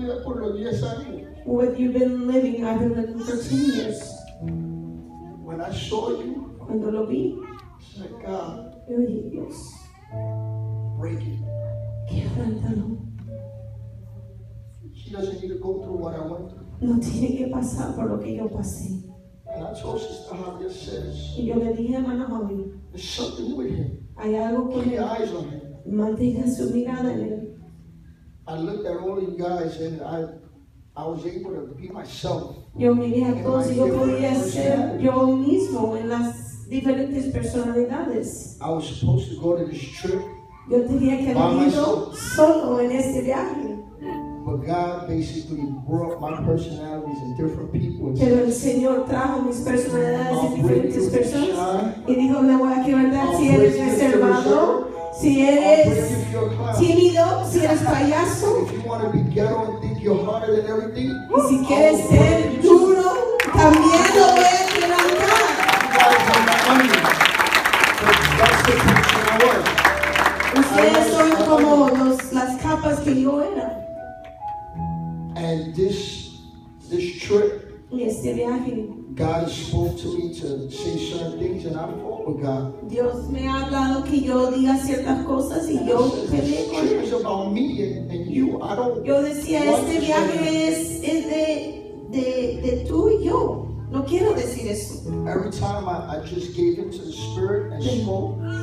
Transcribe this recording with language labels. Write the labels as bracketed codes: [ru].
[en] What you've been living, I've been living for 10 years. When I saw you, [es] cuando lo vi, [en] said, [es] God, yo dije, Dios, [en] break it. [es] Quebrántalo. [en] She doesn't need to go through what I went through. [es] No tiene que pasar por lo que yo pasé. [en] And I told Sister Javier, says, [es] y yo le dije a hermano Javier, [en] there's something with him. [es] Hay algo con [en] keep [es] él. [en] Your eyes on him. [es] Mantenga su mirada en él. [en] I looked at all you guys and I was able to be myself. [es] Yo miré a todos y yo podía ser yo mismo en las diferentes personalidades. [en] I was supposed to go to this trip. [es] Yo tenía que haber ido solo en este viaje. [en] But God basically brought my personalities and different people. [es] Pero el Señor trajo mis personalidades y diferentes personas. Y dijo, me voy a quebrantar si eres reservado. Si eres tímido, si eres payaso, y si quieres ser duro, también lo voy a quebrantar. Ustedes son como las capas que yo era. [en] And this trip, God has spoken to me to say certain things, and I fought with God. [es] Dios me ha hablado que yo diga ciertas cosas y yo peleé con [en] Él. This trip is about me and you. I don't. [es] Yo decía este viaje es de tú y yo. No quiero decir eso. [en] Every time I just gave it to the Spirit and spoke.